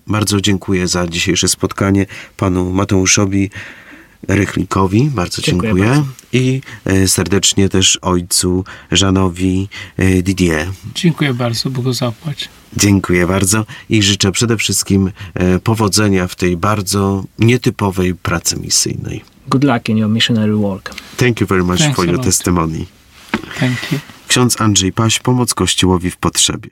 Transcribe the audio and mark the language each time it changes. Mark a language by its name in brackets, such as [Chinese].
[Polish] Bardzo dziękuję za dzisiejsze spotkanie panu Mateuszowi Rychlikowi, bardzo dziękuję bardzo. I serdecznie też ojcu Jeanowi Didier. Dziękuję bardzo, Bogu zapłać. Dziękuję bardzo i życzę przede wszystkim powodzenia w tej bardzo nietypowej pracy misyjnej. [English] Good luck in your missionary work. Thank you very much. Thanks for your testimony. Thank you. [Polish] Ksiądz Andrzej Paś, Pomoc Kościołowi w Potrzebie.